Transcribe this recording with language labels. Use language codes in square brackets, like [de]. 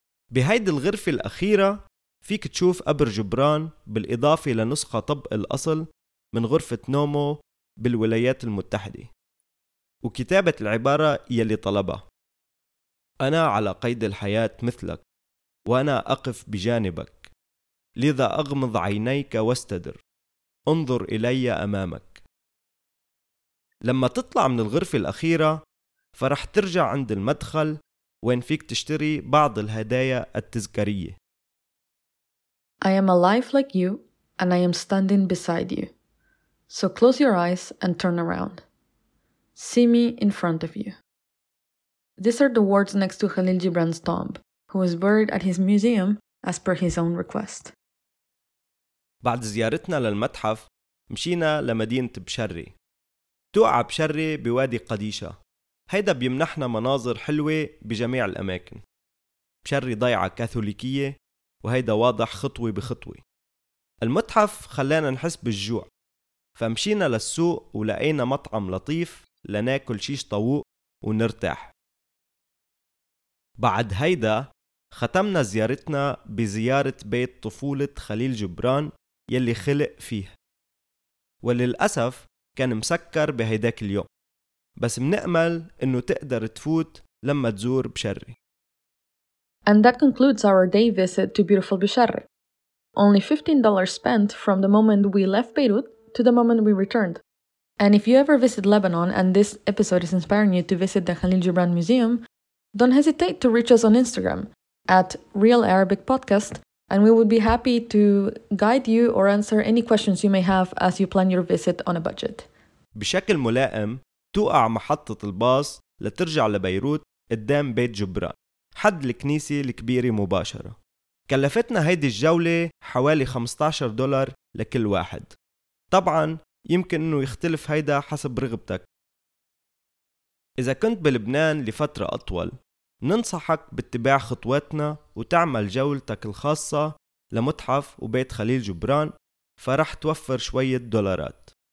[ar] بهيدي الغرفة الأخيرة فيك تشوف قبر جبران بالإضافة لنسخة طبق الأصل من غرفة نومو بالولايات المتحدة، وكتابة العبارة يلي طلبها: أنا على قيد الحياة مثلك، وأنا أقف بجانبك، لذا أغمض عينيك واستدر، انظر إلي أمامك. لما تطلع من الغرفة الأخيرة فرح ترجع عند المدخل وين فيك تشتري بعض الهدايا التذكارية. [en] I am alive like you and I am standing beside you. So close your eyes and turn around. See me in front of you. These are the words next to Khalil Gibran's tomb, who was buried at his museum as per his own request. [ar] بعد زيارتنا للمتحف مشينا لمدينة بشري. توقع بشري بوادي قديشة هيدا بيمنحنا مناظر حلوة بجميع الأماكن. بشري ضيعة كاثوليكية وهيدا واضح خطوة بخطوة. المتحف خلانا نحس بالجوع، فمشينا للسوق ولقينا مطعم لطيف لناكل شيش طاووق ونرتاح. بعد هيدا ختمنا زيارتنا بزيارة بيت طفولة خليل جبران يلي خلق فيه، وللأسف كان مسكر بهيداك اليوم، بس منأمل إنه تقدر تفوت لما تزور بشري. [en] And that concludes our day visit to beautiful Bcharre. Only $15 spent from the moment we left Beirut to the moment we returned. And if you ever visit Lebanon and this episode is inspiring you to visit the Khalil Gibran Museum, don't hesitate to reach us on Instagram at Real Arabic Podcast, and we would be happy to guide you or answer any questions you may have as you plan your visit on a budget. [ar] بشكل ملائم توقع محطة الباص لترجع لبيروت قدام بيت جبران حد الكنيسة الكبيرة مباشرة. كلفتنا هيدي الجولة حوالي $15 لكل واحد. طبعاً يمكن إنه يختلف هيدا حسب رغبتك. إذا كنت بلبنان لفترة أطول ننصحك باتباع خطواتنا وتعمل جولتك الخاصة لمتحف وبيت خليل جبران، فرح توفر شوية دولارات.